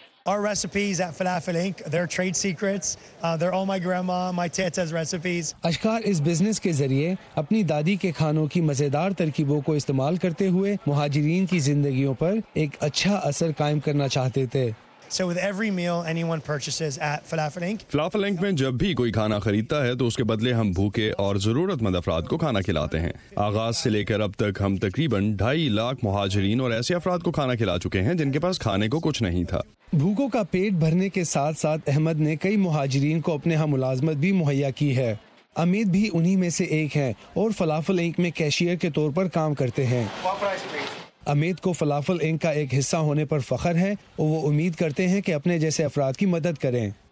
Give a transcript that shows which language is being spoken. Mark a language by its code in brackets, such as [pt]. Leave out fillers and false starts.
[en] Our recipes at Falafel Inc. They're trade secrets. They're all my grandma, my tata's recipes. [ur] اشکار اس business کے ذریعے اپنی دادی کے کھانوں کی مزیدار ترکیبوں کو استعمال کرتے ہوئے مہاجرین کی زندگیوں پر ایک اچھا اثر قائم کرنا چاہتے تھے۔ [en] So with every meal anyone purchases at Falafel Inc. Falafel Inc. [ur] میں جب بھی کوئی کھانا خریدتا ہے تو اس کے بدلے ہم بھوکے اور ضرورت مند افراد کو کھانا کھلاتے ہیں۔ آغاز سے لے کر اب تک ہم تقریباً 2.5 لاکھ مہاجرین اور ایسے افراد کو کھانا کھلا چکے ہیں جن کے پاس کھانے کو کچھ نہیں تھا۔ بھوکوں کا پیٹ بھرنے کے ساتھ ساتھ احمد نے کئی مہاجرین کو اپنے ہم ملازمت بھی مہیا کی ہے۔ امید بھی انہی میں سے ایک ہے اور فلافل انک میں کیشیئر کے طور پر کام کرتے ہیں۔ امید کو فلافل انک کا ایک حصہ ہونے پر فخر ہے، اور وہ امید کرتے ہیں کہ اپنے جیسے افراد کی مدد کریں۔